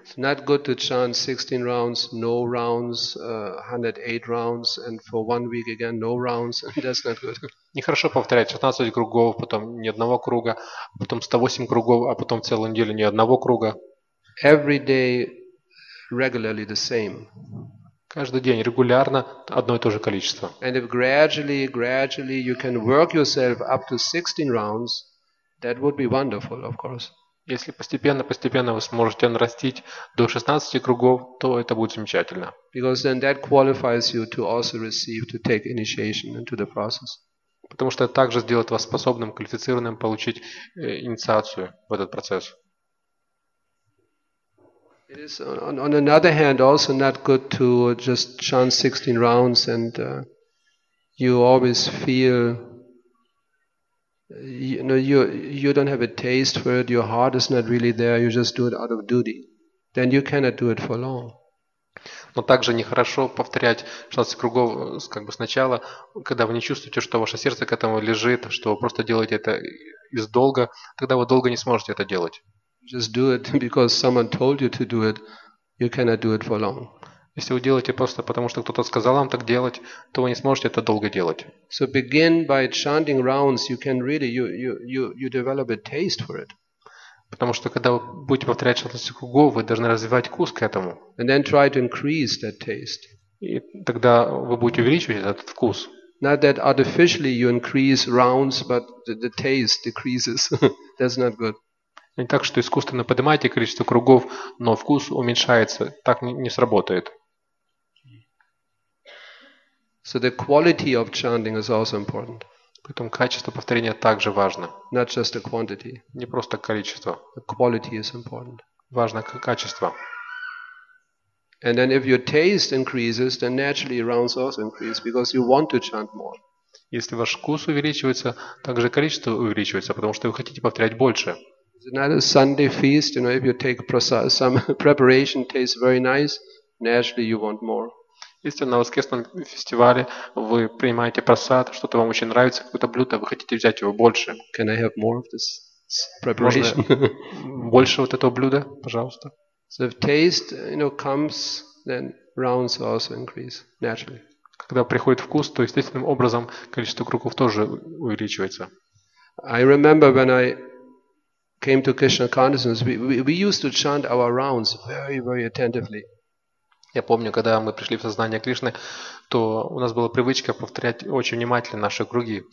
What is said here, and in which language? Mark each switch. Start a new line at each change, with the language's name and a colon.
English: It's not good to chant 16 rounds, no rounds, 108 rounds, and for 1 week again no rounds. That's not good.
Russian: Нехорошо повторять 16 кругов, потом ни одного круга, потом 108 кругов, а потом целую неделю ни одного круга.
English: Every day regularly the same.
Russian: Каждый день регулярно одно и то же количество.
English: And if gradually you can work yourself up to 16 rounds, that would be wonderful, of course.
Russian: Если постепенно вы сможете нарастить до 16 кругов, то это будет замечательно.
English: Because then that qualifies you to also receive, to take initiation into the process.
Russian: Потому что это также сделает вас способным, квалифицированным получить инициацию в этот процесс.
English: It is on another hand also not good to just chant 16 rounds and you always feel you don't have a taste for it, your heart is not really there, you just do it out of duty. Then you cannot do it for long.
Russian: Но также нехорошо повторять 16 кругов как бы сначала, когда вы не чувствуете, что ваше сердце к этому лежит, что вы просто делаете это из долга, тогда вы долго не сможете это делать.
English: Just do it because someone told you to do it, you cannot do it for long.
Russian: Если вы делаете просто потому, что кто-то сказал вам так делать, то вы не сможете это долго делать.
English: So begin by chanting rounds, you can really you develop a taste for it.
Russian: Потому что когда вы будете повторять шантасы кугу, вы должны развивать вкус к этому.
English: And then try to increase that taste.
Russian: И тогда вы будете увеличивать этот вкус.
English: Not that artificially you increase rounds, but the taste decreases. That's not good.
Russian: Не так, что искусственно поднимаете количество кругов, но вкус уменьшается. Так не сработает.
English: So the quality of chanting is also important.
Russian: Поэтому качество повторения также важно.
English: Not just the quantity.
Russian: Не просто количество.
English: The quality is important.
Russian: Важно качество.
English: And then if your taste increases, then naturally rounds also increase because you want to chant more.
Russian: Если ваш вкус увеличивается, также количество увеличивается, потому что вы хотите повторять больше.
English: Another Sunday feast, you know, if you take some preparation, tastes very nice. Naturally, you want more.
Russian: Если на воскресном фестивале вы принимаете просад, что-то вам очень нравится, какое-то блюдо, вы хотите взять его больше.
English: Can I have more of this preparation?
Russian: Больше вот этого блюда, пожалуйста.
English: So if taste, you know, comes, then rounds also increase naturally.
Russian: Когда приходит вкус, то естественным образом количество кругов тоже увеличивается.
English: I remember when I came to Krishna consciousness, we used to chant our rounds very, very attentively.
Russian: Я помню, когда мы пришли в сознание Кришны, то у нас была привычка повторять очень внимательно наши круги.